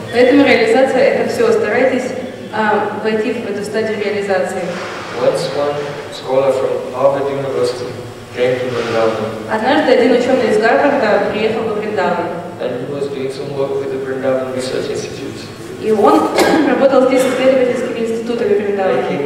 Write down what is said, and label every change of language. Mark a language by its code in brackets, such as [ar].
[ru] Поэтому реализация — это все. Старайтесь войти в эту стадию реализации. [en] Once one scholar from Harvard University came to Vrindavan. [ru] Однажды один ученый из Гарварда приехал в Вриндаван. [en] And he was doing some work with the Vrindavan Research Institute. [ru] И он работал здесь с исследовательскими институтами Вриндавана.